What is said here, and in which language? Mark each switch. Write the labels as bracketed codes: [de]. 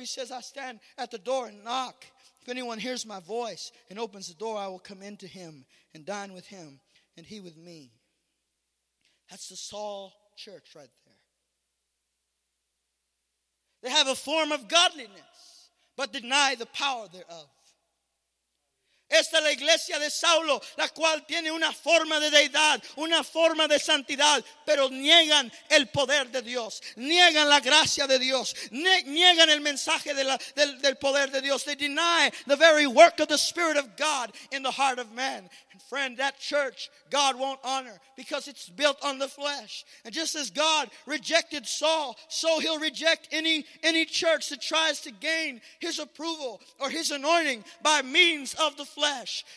[en] He says, I stand at the door and knock. If anyone hears my voice and opens the door, I will come into him and dine with him and he with me. That's the Saul church right there. They have a form of godliness, but deny the power thereof. [es] Esta es la iglesia de Saulo, la cual tiene una forma de deidad, una forma de santidad, pero niegan el poder de Dios, niegan la gracia de Dios, niegan el mensaje del poder de Dios. [en] They deny the very work of the Spirit of God in the heart of man. And friend, that church God won't honor because it's built on the flesh. And just as God rejected Saul, so he'll reject any church that tries to gain his approval or his anointing by means of the flesh.